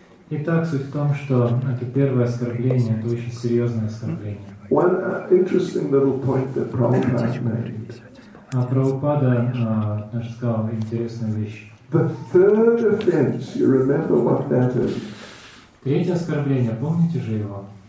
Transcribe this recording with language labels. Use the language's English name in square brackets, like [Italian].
[Russian] Итак, суть в том, что это первое оскорбление, это очень серьезное оскорбление. [English] One interesting little point that Prabhupada made. [Russian] А Прабхупада даже сказал интересную вещь. [English] The third offense, you remember what that is? [Russian] Третье оскорбление, помните же его?